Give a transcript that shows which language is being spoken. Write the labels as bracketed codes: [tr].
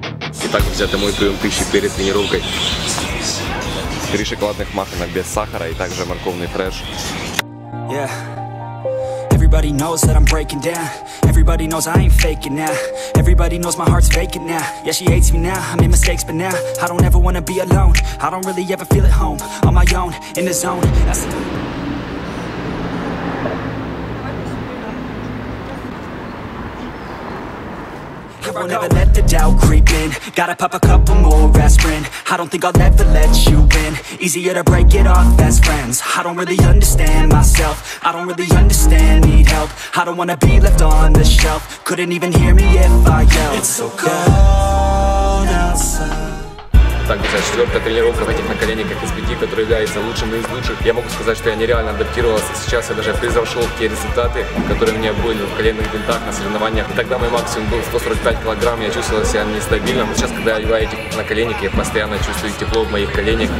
[ru] Кстати, это мой прием пищи перед тренировкой. 3 шоколадных маффина без сахара и также морковный фреш. [en] Yeah. Everybody knows that I'm breaking down. Everybody knows I ain't faking now. Everybody knows my heart's faking now. Yeah, she hates me now. I made mistakes, but now I don't ever wanna be alone. I don't really ever feel at home. On my own, in the zone. That's the... I'll never let the doubt creep in. Gotta pop a couple more aspirin. I don't think I'll ever let you in. Easier to break it off best friends. I don't really understand myself. I don't really understand, need help. I don't wanna be left on the shelf. Couldn't even hear me if I yelled. It's so cold outside. [ru] Так, друзья, четвертая тренировка в этих наколенниках из 5, которые являются лучшими из лучших. Я могу сказать, что я нереально адаптировался. Сейчас я даже превзошел те результаты, которые у меня были в коленных бинтах на соревнованиях. И тогда мой максимум был 145 килограмм, я чувствовал себя нестабильно. Но сейчас, когда я одеваю эти наколенники, я постоянно чувствую тепло в моих коленях.